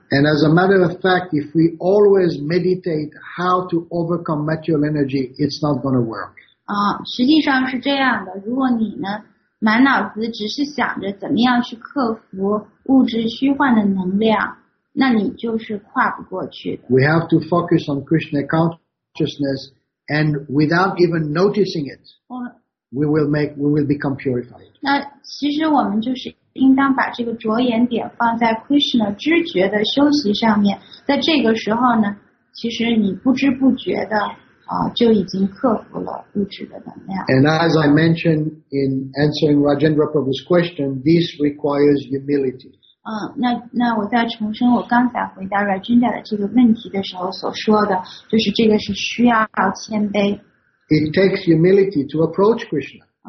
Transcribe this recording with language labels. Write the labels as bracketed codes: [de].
[en] And as a matter of fact, if we always meditate how to overcome material energy, it's not going to work. [zh] 实际上是这样的如果你呢满脑子只是想着怎么样去克服物质虚幻的能量那你就是跨不过去的。 [en] We have to focus on Krishna consciousness and without even noticing it, we will become purified. [zh] 那其实我们就是应当把这个着眼点放在 Krishna 知觉的修习上面在这个时候呢其实你不知不觉的就已经克服了物质的能量。 [en] And as I mentioned in answering Rajendra Prabhu's question, this requires humility. [zh] 那我再重申我刚才回答 Rajendra 的这个问题的时候所说的，就是这个是需要谦卑。 [en] It takes humility to approach Krishna.